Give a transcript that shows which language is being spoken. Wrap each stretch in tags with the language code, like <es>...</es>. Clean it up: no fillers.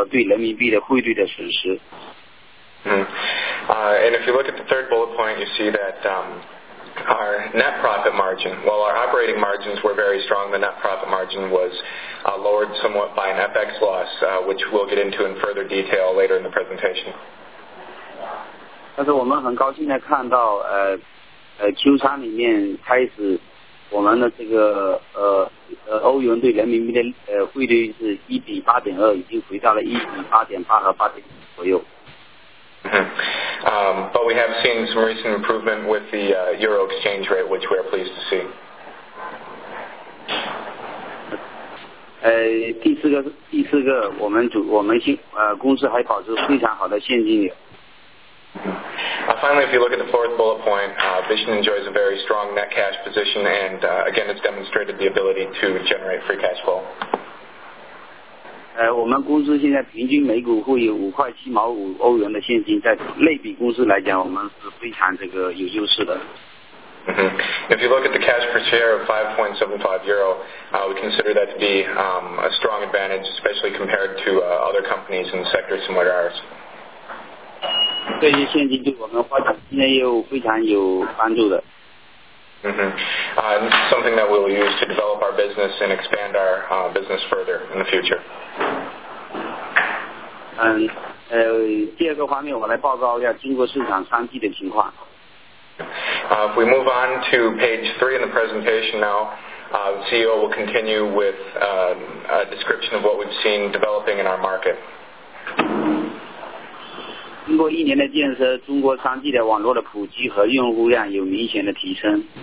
<zh>第三个问题，我们第二季度的净利润有467万欧元，但是有明显的下降，因为受到我们的欧元和对人民币的汇率的损失。</zh> <en>And if you look at the third bullet point, you see that our net profit margin, while our operating margins were very strong, the net profit margin was lowered somewhat by an FX loss, which we'll get into in further detail later in the presentation.</en> <zh>但是我们很高兴的看到Q3 里面开始我们的这个欧元对人民币的汇率是1:8.2，已经回到了1:8.8和8.9左右。</zh> <en>But we have seen some recent improvement with the euro exchange rate, which we are pleased to see.</en> <zh>第四个，我们公司还保持非常好的现金流。</zh> <en>Finally, if you look at the fourth bullet point, Vision enjoys a very strong net cash position, and again, it's demonstrated the ability to generate free cash flow.</en> <zh>我们公司现在平均每股会有5.75欧元的现金，在类比公司来讲，我们是非常这个有优势的。</zh> <en>If you look at the cash per share of 5.75 euro, we consider that to be a strong advantage, especially compared to other companies in the sector similar to ours.</en> <zh>这些现金对我们发展新的业务非常有帮助的。</zh> <en>This is something that we'll use to develop our business and expand our business further in the future.</en> <zh>第二个方面，我来报告一下中国市场三季的情况。</zh> <en>If we move on to page 3 in the presentation now, the CEO will continue with a description of what we've seen developing in our market.</en> <zh>经过一年的建设，中国 3G 的网络的普及和用户量有明显的提升。</zh>